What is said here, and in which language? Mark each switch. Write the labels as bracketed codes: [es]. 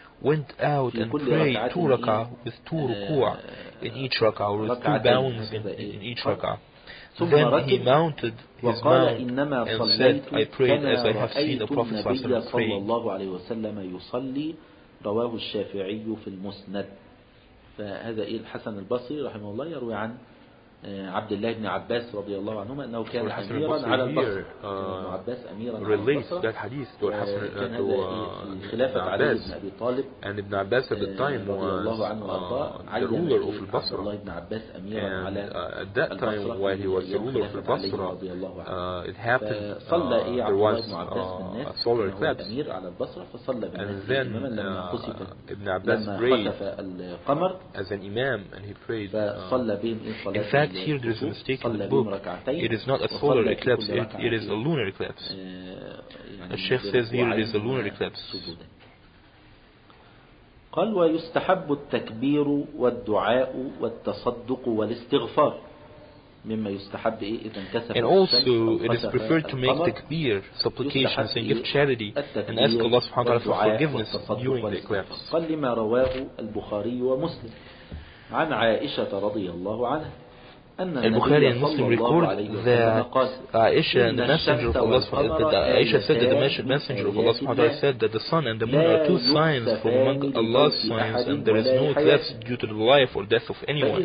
[en] Went out and prayed two raka with two ruku' in each raka or with two bounds in each raka. Then he mounted his mount and said, I prayed as I have seen the Prophet sallallahu alaihi wasallam [ar] yusalli. رواه الشافعي في المسند. فهذا الحسن البصري رحمه الله يروي عن عبد الله بن عباس رضي الله عنهما أنه كان أميرا على البصر. عباس أميرا على البصر. [en] Relates that hadith to الحسن to خلافة [ar] علي بن أبي طالب. [en] And Ibn Abbas at the time was the ruler of Basra. [ar] الله بن عباس أميرا على البصر. [en] At that time while he was the ruler of Basra, it happened there was a solar eclipse. And then Ibn Abbas prayed as an imam and he prayed. Here there is a mistake in the book. It is not a solar eclipse, it is a lunar eclipse. The Sheikh says here it is a lunar eclipse. [ar] قال ويستحب التكبير والدعاء والتصدق والاستغفار مما يستحب إيه إذا انكسف. [en] And also it is preferred to make takbir supplications and give charity and ask Allah subhanahu wa ta'ala for forgiveness during the eclipse. [ar] قال لما رواه البخاري ومسلم عن عائشة رضي الله عنها [en] البخاري المسلم record that Aisha and the messenger of Allah Aisha said that the messenger of Allah said that the sun and the moon are two signs from among Allah's signs and there is no eclipse due to the life or death of anyone.